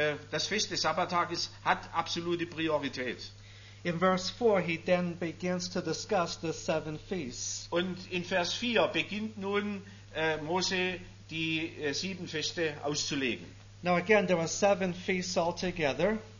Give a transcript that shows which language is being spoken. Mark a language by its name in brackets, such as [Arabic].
[German] Das Fest des Sabbattages hat absolute Priorität. [English] In verse 4 he then begins to discuss the seven feasts. [German] Und in Vers 4 beginnt nun Mose die sieben Feste auszulegen. [English] Now again there were seven feasts altogether.